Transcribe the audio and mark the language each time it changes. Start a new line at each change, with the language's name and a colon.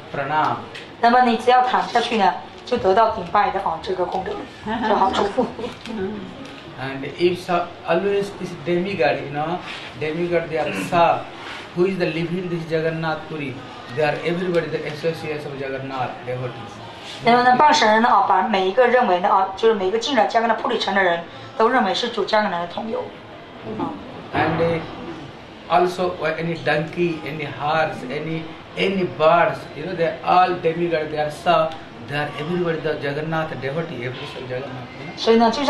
Chinese: pranam.那么你只要躺下去呢，就得到顶拜的啊这个功德，就好祝福。And
English: if always this demigod, you know, demigod they are who is the living this Jagannath Puri, they are everybody the associates of Jagannath devotees.
Chinese: 那么呢，傍神人呢啊，把每一个认为的啊，就是每一个进了加格纳普里城的人都认为是主加格纳的同游。And
English: also, any donkey, any horse, any birds, you know, they are all demigod, they are sub, they are everybody the Jagannath devotee, everybody